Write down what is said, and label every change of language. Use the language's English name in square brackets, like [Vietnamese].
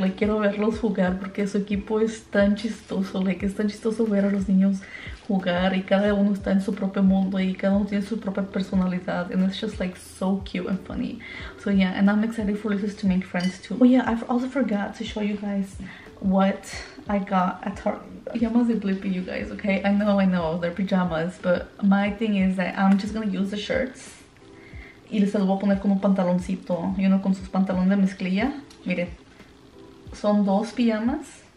[Spanish] Like, quiero verlos jugar porque su equipo es tan chistoso. Like, es tan chistoso ver a los niños jugar. Y cada uno está en su propio mundo. Y cada uno tiene su propia personalidad. [English] And it's just, like, so cute and funny. So yeah, and I'm excited for Lisa's to make friends too. Oh yeah, I also forgot to show you guys what I got at Target. Pajamas are blippy, you guys, okay? I know, they're pajamas, but my thing is that I'm just gonna use the shirts. [Spanish] Y les voy a poner como pantaloncito, y uno con sus pantalones de mezclilla. Miren, son dos pijamas